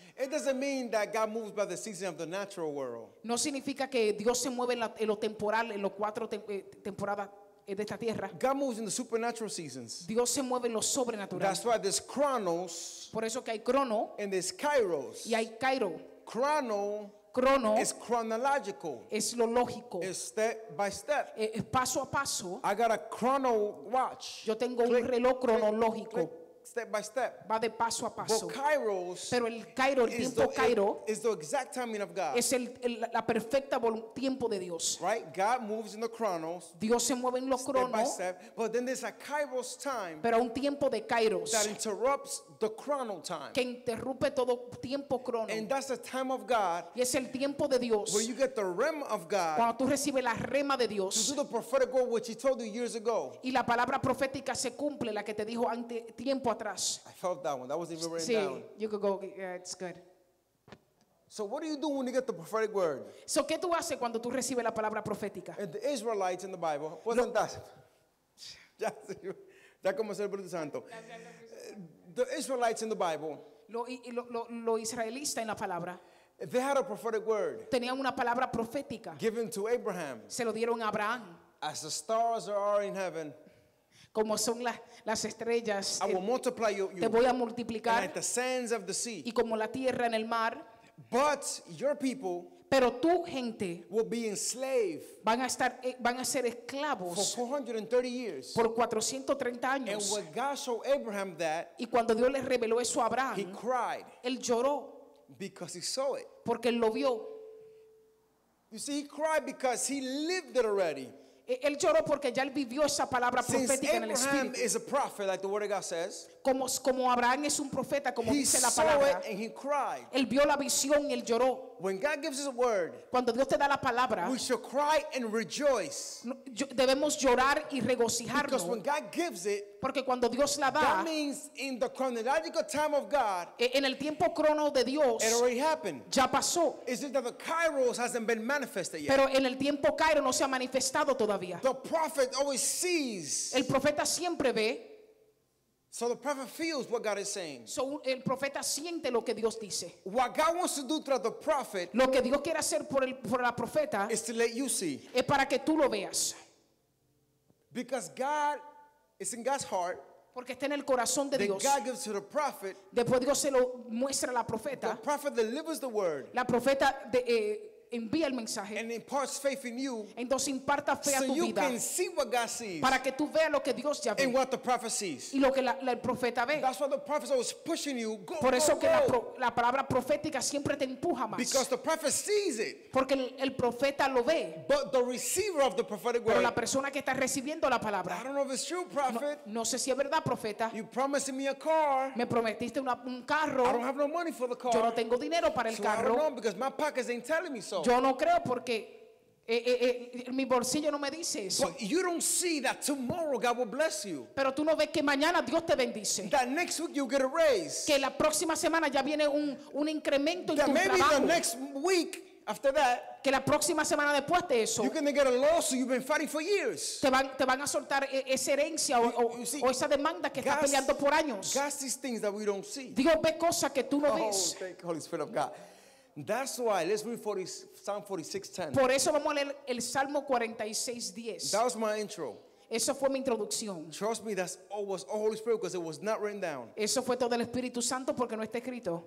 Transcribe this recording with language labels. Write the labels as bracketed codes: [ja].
[en] It doesn't mean that God moves by the season of the natural world. [es] No significa que Dios se mueve en lo temporal, en los 4 temporadas de esta tierra. [en] God moves in the supernatural seasons. [es] Dios se mueve en lo sobrenatural. [en] That's why there's chronos. [es] Por eso que hay crono. [en] And there's kairos. [es] Y hay kairo. [en] Chrono. [es] Crono. [en] Is chronological. [es] Es lo lógico. [en] Is step by step. [es] Es paso a paso. [en] I got a chrono watch. [es] Yo tengo un reloj cronológico. [en] Step by step. [es] Va de paso a paso. [en] But kairos. [es] Pero el kairo, el tiempo kairo. [en] Is the exact timing of God. [es] Es la perfecta tiempo de Dios. [en] Right? God moves in the chronos. [es] Dios se mueve en los cronos. [en] Step by step. But then there's a kairos time. [es] Pero un tiempo de kairos. [en] That interrupts the chrono time. [es] Que interrumpe todo tiempo crono. [en] And that's the time of God. [es] Y es el tiempo de Dios. [en] Where you get the rema of God. [es] Cuando tú recibes la rema de Dios. [en] To do the prophetic word which he told you years ago. [es] Y la palabra profética se cumple, la que te dijo ante tiempo. [en] I felt that one. That wasn't even written See, down. You could go. Yeah, it's good. So what do you do when you get the prophetic word? [es] So ¿qué tú haces cuando tú recibes la palabra profética? [en] And the Israelites in the Bible wasn't that. [es] Ya como el Espíritu Santo. [en] The Israelites in the Bible. [es] Lo israelita en la palabra. [en] They had a prophetic word. [es] Tenían una palabra profética. [en] Given to Abraham. [es] Se lo dieron a Abraham. [en] As the stars are in heaven. [es] Como son las estrellas, [en] I will multiply you, [es] te voy a multiplicar, [en] like the sands of the sea, [es] y como la tierra en el mar. [en] But your people, [es] pero tu gente, [en] will be enslaved, [es] van a ser esclavos, [en] for 430 years, [es] por 430 años. [en] And when God showed Abraham that, [es] y cuando Dios le reveló eso a Abraham, [en] he cried, [es] él lloró, [en] because he saw it, [es] porque él lo vio. [en] You see, he cried because he lived it already. [es] Él lloró porque ya él vivió esa palabra profética en el Espíritu. [en] Abraham is a prophet, like the word of God says. [es] Como Abraham es un profeta, como [en] he [es] dice la palabra. [en] Saw it and he cried. [es] Él vio la visión y él lloró. [en] When God gives us a word, [es] cuando Dios te da la palabra, [en] we shall cry and rejoice. [es] Debemos llorar y regocijarnos. [en] Because when God gives it, [es] porque cuando Dios la da, [en] that means in the chronological time of God, [es] en el tiempo crono de Dios, [en] it already happened. [es] Ya pasó. [en] Is it that the kairos hasn't been manifested yet? [es] Pero en el tiempo kairo no se ha manifestado todavía. [en] The prophet always sees. [es] El profeta siempre ve. [en] So the prophet feels what God is saying. [es] So el profeta siente lo que Dios dice. [en] What God wants to do through the prophet, [es] lo que Dios quiere hacer por el por la profeta, [en] is to let you see. [es] Es para que tú lo veas. [en] Because God is in God's heart. [es] Porque está en el corazón de Dios. [en] God gives to the prophet. [es] Después Dios se lo muestra a la profeta. [en] The prophet delivers the word. [es] La profeta de envía el mensaje. [en] And imparts faith in you. [es] Entonces imparta fe a tu vida. [en] So you can see what God sees. [es] Para que tú veas lo que Dios ya ve. [en] And what the prophet sees. [es] Y lo que el profeta ve. [en] That's why the prophet was pushing you. Go, [es] por eso [en] go, [es] que [en] go. [es] La palabra profética siempre te empuja más. [en] Because the prophet sees it. [es] Porque el profeta lo ve. [en] But the receiver of the prophetic word. [es] Pero la persona que está recibiendo la palabra. [en] I don't know if it's true, prophet. [es] No sé si es verdad, profeta. [en] You promised me a car. [es] Me prometiste un carro. [en] I don't have no money for the car. [es] Yo no tengo dinero para el [en] so [es] carro. [en] I don't know because my pockets ain't telling me so. [es] Yo no creo porque mi bolsillo no me dice eso. [en] But you don't see that tomorrow God will bless you. [es] Pero tú no ves que mañana Dios te bendice. [en] That next week you get a raise. [es] Que la próxima semana ya viene un incremento en tu trabajo. [en] That maybe the next week after that. [es] Que la próxima semana después de eso. [en] You're gonna get a lawsuit you've been fighting for years. [es] Te van a soltar esa herencia o esa demanda que estás peleando por años. [en] God sees things that we don't see. [es] Dios ve cosas que tú no ves. [en] Oh, thank Holy Spirit of God. That's why let's read Psalm 46:10. [es] Por eso vamos a leer el Salmo 46:10. [en] That was my intro. [es] Eso fue mi introducción. [en] Trust me, that was all Holy Spirit because it was not written down. [es] Eso fue todo el Espíritu Santo porque no está escrito.